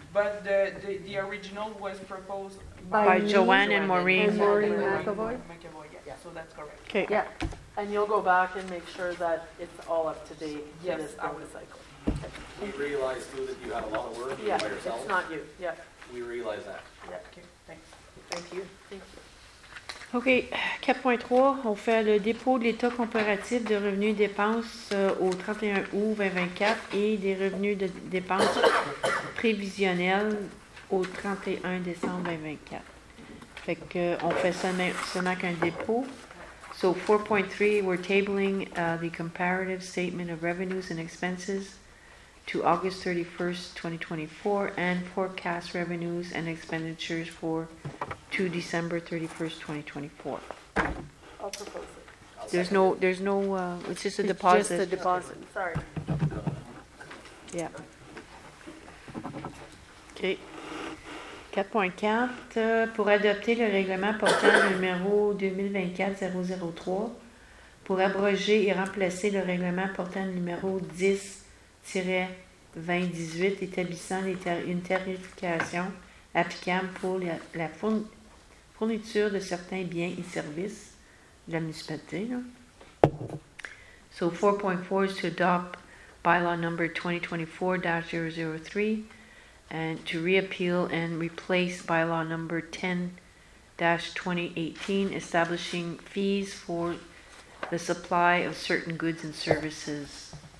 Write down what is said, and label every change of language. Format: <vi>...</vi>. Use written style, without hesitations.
<en>But the original was proposed by Joanne and Maureen. And Maureen McAvoy. McAvoy, yeah, so that's correct. Okay. Yeah. And you'll go back and make sure that it's all up to date. Yes. We realize, too, that you had a lot of work by yourself. Yeah, it's not you, yeah. We realize that. Yeah. Thank you.</en> <fr>OK, 4.3, on fait le dépôt de l'état comparatif de revenus et dépenses au 31 août 2024 et des revenus de dépenses prévisionnels au 31 décembre 2024. Fait que on fait seulement qu'un dépôt.</fr> <en>So 4.3, we're tabling the comparative statement of revenues and expenses to August 31st, 2024, and forecast revenues and expenditures to December 31st, 2024. I'll propose it. It's just a deposit. It's just a deposit. Sorry. Yeah. Okay.</en> <fr>4.4, pour adopter le règlement portant numéro 2024-003, pour abroger et remplacer le règlement portant numéro 10-2018 établissant une tarification applicable pour la fourniture de certains biens et services de la municipalité. Là.</fr> <en>So 4.4 is to adopt bylaw number 2024-003 and to reappeal and replace bylaw number 10-2018 establishing fees for the supply of certain goods and services.</en>